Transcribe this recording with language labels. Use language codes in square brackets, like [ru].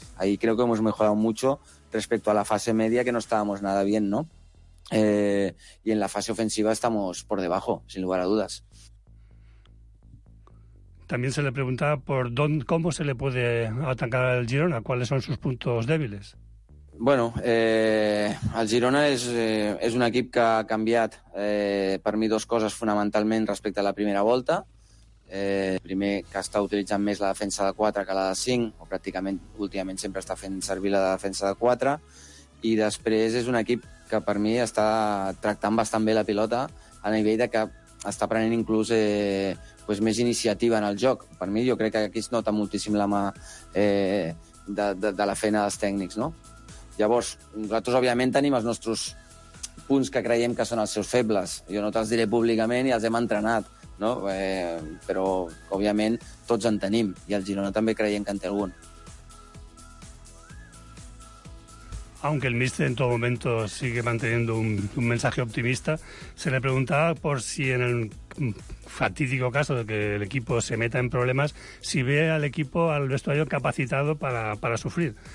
[es] Ahí creo que hemos mejorado mucho respecto a la fase media, que no estábamos nada bien, ¿no? Y en la fase ofensiva estamos por debajo, sin lugar a dudas. También se le preguntaba por cómo se le puede atacar al Girona, cuáles son sus puntos débiles. [ca] Bueno, el Girona és un equip que ha canviat per mi dues coses fonamentalment respecte a la primera volta. Primer, que està utilitzant més la defensa de 4 que la de 5, o pràcticament últimament sempre està fent servir la defensa de 4. I després és un equip que per mi està tractant bastant bé la pilota a nivell de que està prenent inclús pues més iniciativa en el joc. Per mi jo crec que aquí es nota moltíssim la mà de la feina dels tècnics, no? Llavors, nosaltres, òbviament, tenim els nostres punts que creiem que són els seus febles. Jo no te'ls diré públicament i els hem entrenat, no? Però, òbviament, tots en tenim. I el Girona també creiem que en té algun. [es] Aunque el míster en todo momento sigue manteniendo un mensaje optimista, se le preguntaba por si en el fatídico caso de que el equipo se meta en problemas, si ve al equipo, al vestuario, capacitado para sufrir.